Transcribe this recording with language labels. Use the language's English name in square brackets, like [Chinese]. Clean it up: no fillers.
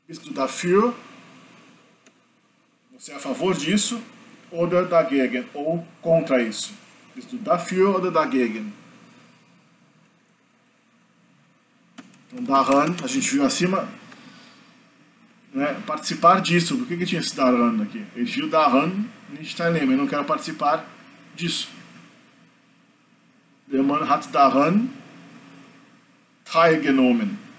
[Portuguese] Dafür, você é a favor disso, [German] oder dagegen, [Portuguese] ou contra isso. [German] Isto dafür oder dagegen. [Portuguese] Então, daran, a gente viu acima, né, participar disso. Por que, que tinha esse daran aqui? [German] Ich will daran nicht teilnehmen, [Portuguese] eu não quero participar disso. [German] Der Mann hat daran teilgenommen.